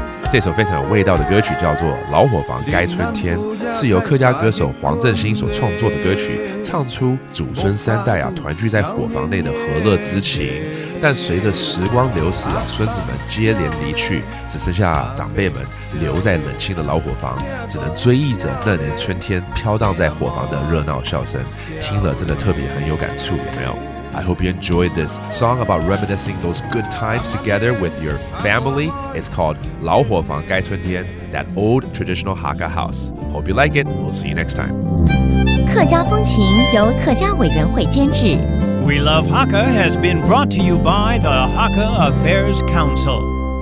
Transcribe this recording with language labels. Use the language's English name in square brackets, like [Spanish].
[Chinese] 这首非常有味道的歌曲叫做《老伙房该春天》，是由客家歌手黄镇炘所创作的歌曲，唱出祖孙三代啊团聚在伙房内的和乐之情。但随着时光流逝啊，孙子们接连离去，只剩下长辈们留在冷清的老伙房，只能追忆着那年春天飘荡在伙房的热闹笑声。听了真的特别很有感触，有没有？ [English] I hope you enjoyed this song about reminiscing those good times together with your family. It's called 老伙房该春天, that old traditional Hakka house. Hope you like it. We'll see you next time. [Chinese] 客家风情由客家委员会监制。 [English] We Love Hakka has been brought to you by the Hakka Affairs Council.